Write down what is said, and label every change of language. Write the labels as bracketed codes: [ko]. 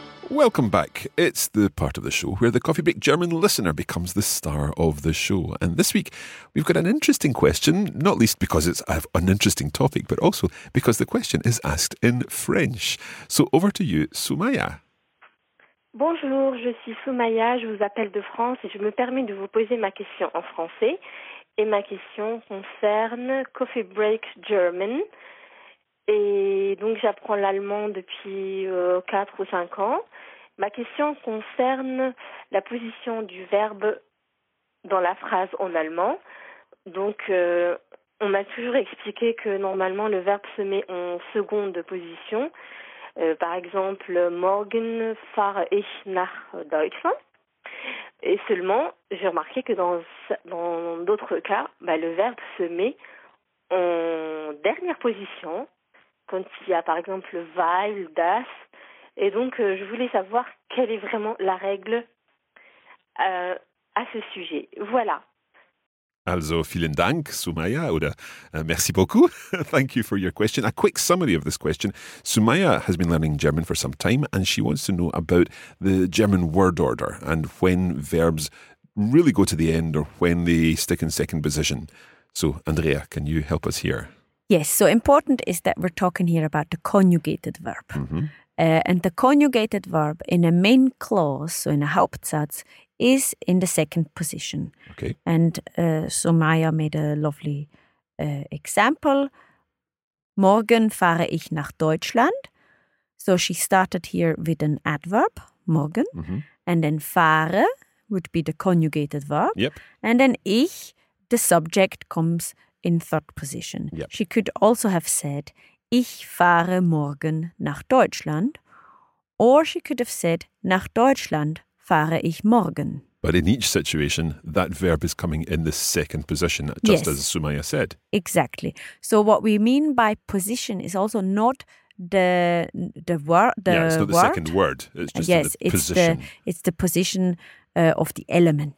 [en] Welcome back. It's the part of the show where the Coffee Break German listener becomes the star of the show. And this week, we've got an interesting question, not least because it's an interesting topic, but also because the question is asked in French. So over to you, Soumaya. [fr] Bonjour, je suis Soumaya. Je vous appelle de France et je me permets de vous poser ma question en français. Et ma question concerne Coffee Break German. Et donc, j'apprends l'allemand depuis 4 ou 5 ans. Ma question concerne la position du verbe dans la phrase en allemand. Donc, on m'a toujours expliqué que normalement, le verbe se met en seconde position. Par exemple, [de] morgen fahre ich nach Deutschland. [fr] Et seulement, j'ai remarqué que dans d'autres cas, le verbe se met en dernière position, quand il y a par exemple « weil »,« das ». Et donc, je voulais savoir quelle est vraiment la règle à ce sujet. Voilà. [de] Also, vielen Dank, Soumaya, oder [fr] merci beaucoup. [en] Thank you for your question. A quick summary of this question. Soumaya has been learning German for some time, and she wants to know about the German word order and when verbs really go to the end or when they stick in second position. So, Andrea, can you help us here? Yes, so important is that we're talking here about the conjugated verb. Mm-hmm. And the conjugated verb in a main clause, so in a Hauptsatz, is in the second position. Okay. And so Maya made a lovely example. [de] Morgen fahre ich nach Deutschland. [en] So she started here with an adverb, morgen. Mm-hmm. And then fahre would be the conjugated verb. Yep. And then ich, the subject, comes in third position. Yep. She could also have said, [de] ich fahre morgen nach Deutschland. [en] Or she could have said, [de] nach Deutschland fahre ich morgen. [en] But in each situation, that verb is coming in the second position, just yes, as Soumaya said. Exactly. So what we mean by position is also not the word. Yeah, it's not word. The second word. It's just yes, the position. It's the position of the element.